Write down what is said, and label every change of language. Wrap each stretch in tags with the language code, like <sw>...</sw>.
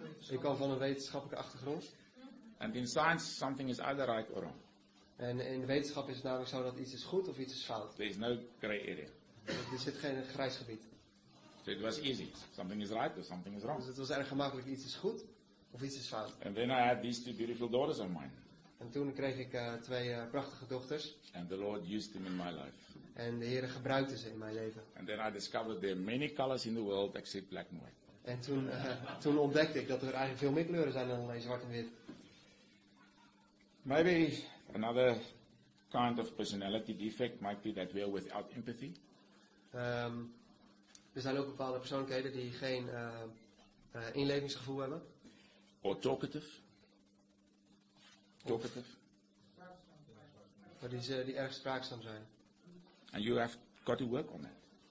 <nl>Ik kom van een wetenschappelijke achtergrond.</nl> <en>And in science, something is either right or wrong.</en> <nl>En in wetenschap is het namelijk zo dat iets is goed of iets is fout.</nl> <en>There is no grey area.</en> <nl>Er zit geen grijs gebied.</nl> <en>So it was easy. Something is right or something is wrong.</en> <nl>Dus het was erg gemakkelijk. Iets is goed of iets is fout.</nl> <en>And then I had these two beautiful daughters of mine.</en> <nl>En toen kreeg ik twee prachtige dochters.</nl> <en>And the Lord used them in my life.</en> <nl>En de Heer gebruikte ze in mijn leven.</nl> <en>And then I discovered there are many colors in the world except black and white.</en> <nl>En toen ontdekte ik dat er eigenlijk veel meer kleuren zijn dan alleen zwart en wit.</nl> <en>Maybe another kind of personality defect might be that we are without empathy.</en> <nl>Er zijn ook bepaalde persoonlijkheden die geen inlevingsgevoel hebben.</nl> <en>Or talkative.</en> <nl>Maar die erg spraakzaam zijn.</nl> <en>And you have got to work on that.</en>